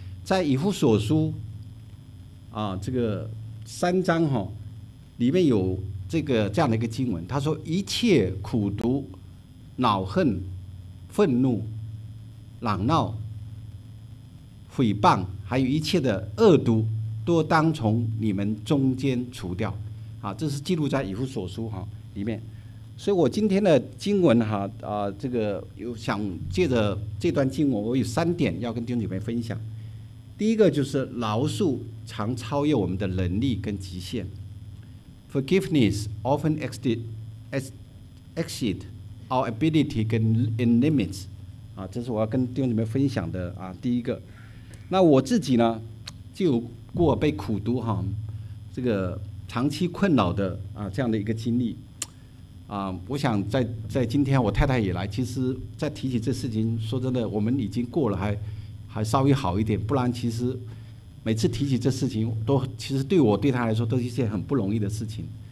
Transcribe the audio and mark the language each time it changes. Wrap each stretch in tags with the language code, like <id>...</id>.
<zh>在以弗所书啊，这个三章哈，里面有这样的一个经文，他说一切苦毒、恼恨、愤怒、嚷闹、诽谤，还有一切的恶毒，都当从你们中间除掉。啊，这是记录在以弗所书哈里面。所以我今天的经文哈啊，这个有想借着这段经文，我有三点要跟弟兄姐妹分享。第一个就是饶恕常超越我们的能力跟极限。</zh> <en>Forgiveness often exceed our ability and limits.</en> <zh>啊，这是我要跟弟兄姐妹分享的啊，第一个。那我自己呢，就有过被苦读哈，这个长期困扰的啊这样的一个经历。啊，我想在今天我太太也来，其实在提起这事情，说真的，我们已经过了还稍微好一点，不然其实每次提起这事情都其实对我对他来说都是一件很不容易的事情。</zh>